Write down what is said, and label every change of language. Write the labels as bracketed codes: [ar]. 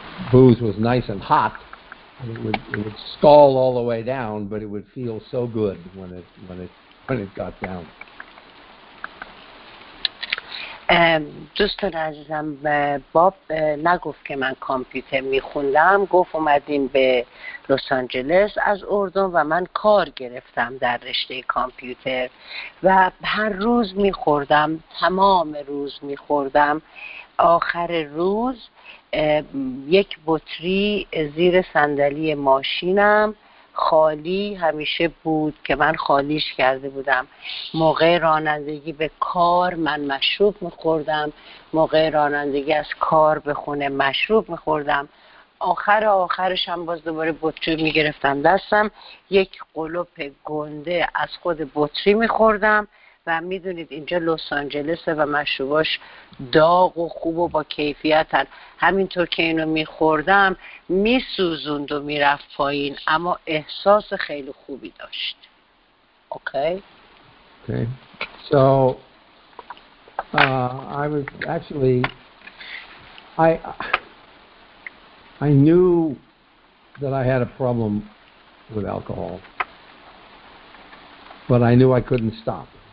[en] booze was nice and hot, and it would scald all the way down, but it would feel so good when it got down. [fa] دوستان عزیزم، باب نگفت که من کامپیوتر میخوندم، گفت اومدیم به لس آنجلس از اردن و من کار گرفتم در رشته کامپیوتر و هر روز میخوردم، تمام روز میخوردم. آخر روز یک بطری زیر صندلی ماشینم خالی همیشه بود که من خالیش کرده بودم. موقع رانندگی به کار من مشروب میخوردم، موقع رانندگی از کار به خونه مشروب میخوردم، آخرش هم باز دوباره بطری میگرفتم دستم، یک قلوپ گنده از خود بطری میخوردم. و میدونید اینجا لس آنجلسه و مشروباش داغ و خوب و با کیفیتن. همینطور که اینو میخوردم میسوزند و میرفت پایین، اما احساس خیلی خوبی داشت. [en] Okay. So I was actually I knew that I had a problem with alcohol, but I knew I couldn't stop.